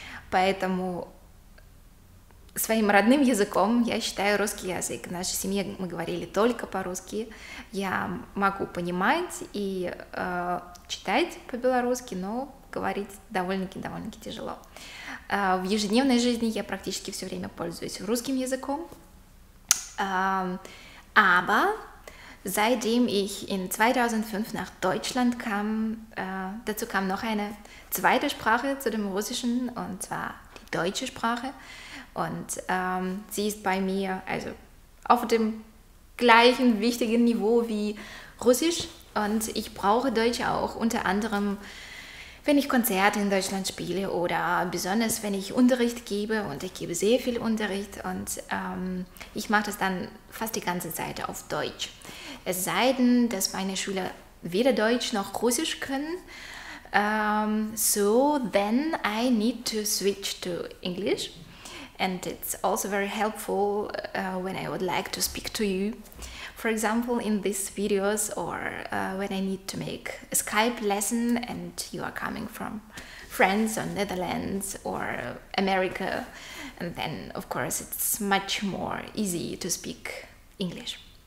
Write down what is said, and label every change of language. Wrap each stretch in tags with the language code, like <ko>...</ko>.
<ru>Поэтому сваім родным языком я считаю рускі язык.</ru> <be>В нашай сям'і мы гаварылі толькі па-рускі. Я магу панімаць і чытаць па-беларуску, но гаварыць</be> <ru>довольно-таки тяжело. В ежедневной жизни я практически все время пользуюсь русским языком.</ru> <de>Aber seitdem ich in 2005 nach Deutschland kam, dazu kam noch eine zweite Sprache zu dem Russischen, und zwar die deutsche Sprache. Und sie ist bei mir also auf dem gleichen wichtigen Niveau wie Russisch. Und ich brauche Deutsch auch unter anderem, wenn ich Konzerte in Deutschland spiele oder besonders, wenn ich Unterricht gebe, und ich gebe sehr viel Unterricht, und ich mache das dann fast die ganze Zeit auf Deutsch. Es sei denn, dass meine Schüler weder Deutsch noch Russisch können,</de> <en>so then I need to switch to English, and it's also very helpful when I would like to speak to you, for example, in these videos, or when I need to make a Skype lesson and you are coming from France or Netherlands or America, and then of course it's much more easy to speak English.</en>